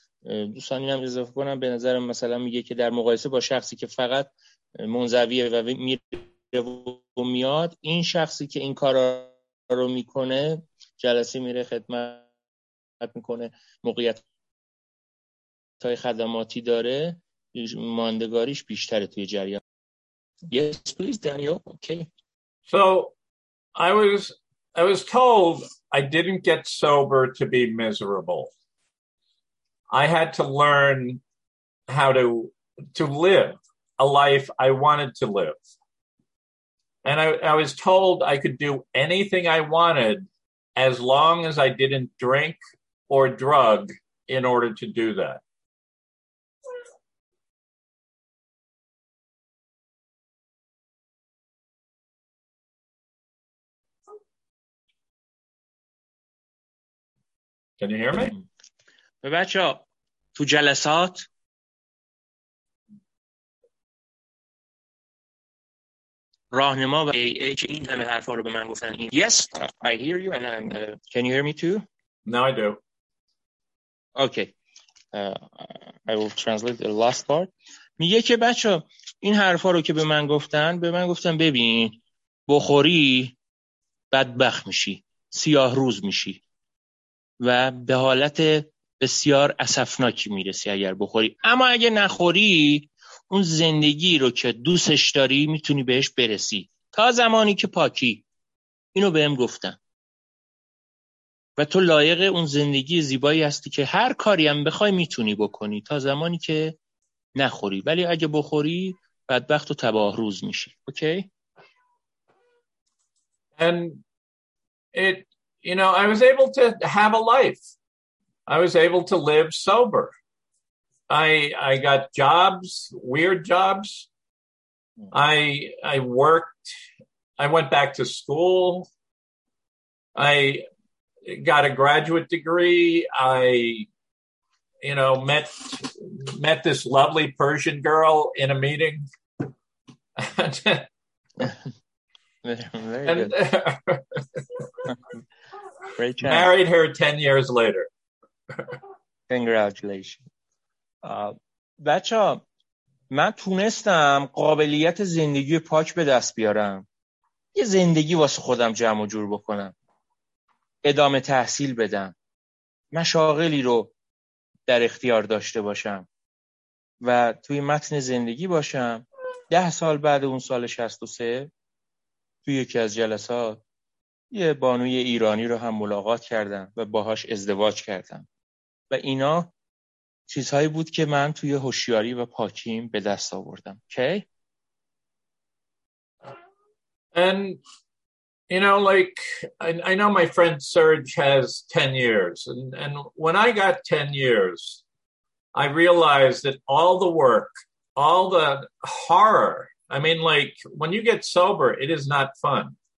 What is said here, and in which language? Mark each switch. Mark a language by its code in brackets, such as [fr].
[fa] دوستان اینم اضافه کنم، به نظرم مثلا میگه که در مقایسه با شخصی که فقط منزویه و میره و میاد، این شخصی که این کارا رو میکنه، جلسه میره، خدمت میکنه، موقعیت تای خدماتی داره، ماندگاریش بیشتره توی جریان. [en] Yes, please, Daniel. Okay. So I was told I didn't get sober to be miserable. I had to learn how to live a life I wanted to live. And I was told I could do anything I wanted as long as I didn't drink or drug in order to do that. Can you hear me? [fa] بچه ها تو جلسات راهنما و این همه حرفا رو به من گفتن. [en] Yes, I hear you and I'm can you hear me too? No, I do. Okay. I will translate the last part. [fa] میگه که بچا این حرفا رو که به من گفتن ببین بخوری بدبخت میشی، سیاه روز میشی و به حالت بسیار اسفناکی میرسی اگر بخوری، اما اگه نخوری اون زندگی رو که دوستش داری میتونی بهش برسی تا زمانی که پاکی. اینو بهم گفتن و تو لایق اون زندگی زیبایی هستی که هر کاری هم بخوای میتونی بکنی تا زمانی که نخوری، ولی اگه بخوری بدبخت و تباه روز میشی. [en] Okay? And it, you know, I was able to have a life. I was able to live sober. I got jobs, weird jobs. I worked. I went back to school. I got a graduate degree. I, you know, met this lovely Persian girl in a meeting. Very and, good. Great job. Married her 10 years later. Congratulations. [fa] بچه ها من تونستم قابلیت زندگی پاک به دست بیارم، یه زندگی واسه خودم جمع و جور بکنم، ادامه تحصیل بدم، مشاغلی رو در اختیار داشته باشم و توی متن زندگی باشم. 10 سال بعد اون سال 63 توی یکی از جلسات یه بانوی ایرانی رو هم ملاقات کردم و باهاش ازدواج کردم و اینا چیزهایی بود که من توی هوشیاری و پاکیم به دست آوردم. [en] Okay? And you know, like I know my friend Serge has 10 years and when I got 10 years I realized that all the work, all the horror, I mean, like when you get sober, it is not fun.